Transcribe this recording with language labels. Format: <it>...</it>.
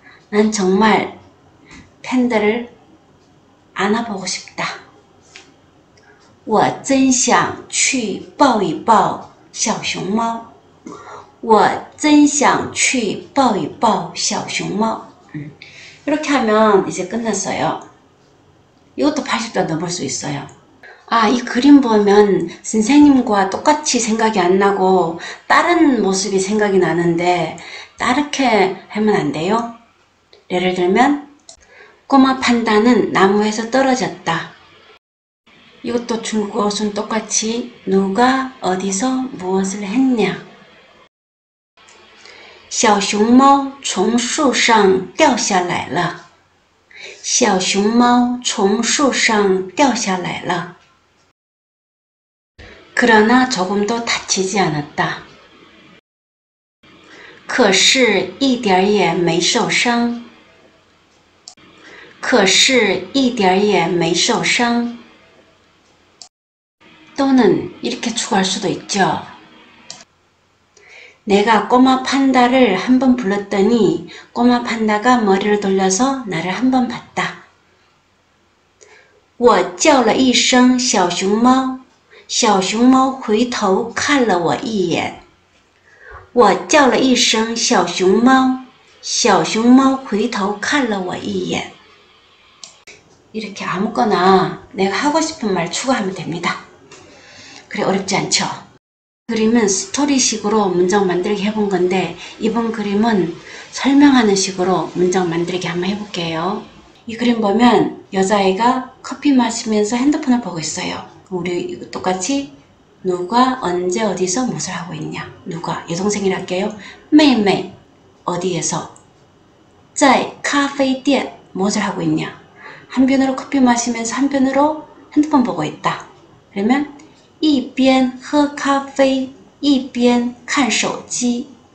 <ko>난 정말 팬들을 안아보고 싶다.</ko> <zh>我真想去抱一抱小熊猫，我真想去抱一抱小熊猫。</zh> <ko>이렇게 하면 이제 끝났어요. 이것도 80도 넘을 수 있어요. 아, 이 그림 보면 선생님과 똑같이 생각이 안 나고 다른 모습이 생각이 나는데 다르게 하면 안 돼요? 예를 들면, 꼬마 판다는 나무에서 떨어졌다. 이것도 중국어순 똑같이 누가 어디서 무엇을 했냐?</ko> <zh>小熊猫从树上掉下来了。小熊猫从树上掉下来了，</zh> <ko>그러나 조금도 다치지 않았다.</ko> <zh>可是一点也没受伤。可是一点也没受伤。</zh> <ko>또는 이렇게 추가할 수도 있죠. 내가 꼬마 판다를 한번 불렀더니 꼬마 판다가 머리를 돌려서 나를 한번 봤다.</ko> <zh>我叫了一声小熊猫，小熊猫回头看了我一眼。我叫了一声小熊猫，小熊猫回头看了我一眼。</zh> <ko>이렇게 아무거나 내가 하고 싶은 말 추가하면 됩니다. 그래, 어렵지 않죠? 그림은 스토리식으로 문장 만들기 해본 건데, 이번 그림은 설명하는 식으로 문장 만들기 한번 해볼게요. 이 그림 보면 여자애가 커피 마시면서 핸드폰을 보고 있어요. 우리 똑같이 누가 언제 어디서 무엇을 하고 있냐? 누가? 여동생이라 할게요. 매매 어디에서? 在 카페店 무엇을 하고 있냐? 한편으로 커피 마시면서 한편으로 핸드폰 보고 있다.</ko> <zh>그러면 一边喝咖啡一边看手机。</zh>